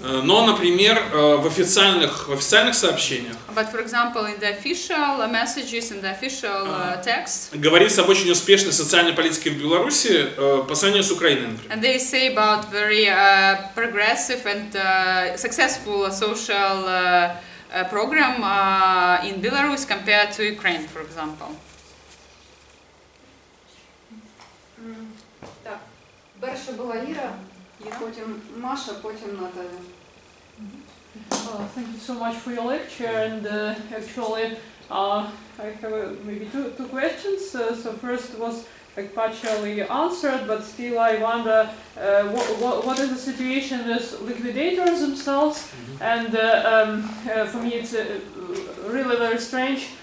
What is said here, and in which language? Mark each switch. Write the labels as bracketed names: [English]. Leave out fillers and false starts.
[Russian] Но, например, в официальных сообщениях. [English] But for example, in the official messages, in the official text. [Russian] Говорится об очень успешной социальной политике в Беларуси по сравнению с Украиной, например. [English] And they say about very progressive and successful social program in Belarus compared to Ukraine, for example. [Ukrainian] Перша була Іра, потім Маша, потім Наталя. [English] Thank you so much for your lecture, and actually I have maybe two questions. So first was like partially answered, but still I wonder what is the situation with liquidators themselves? And for me it's really very strange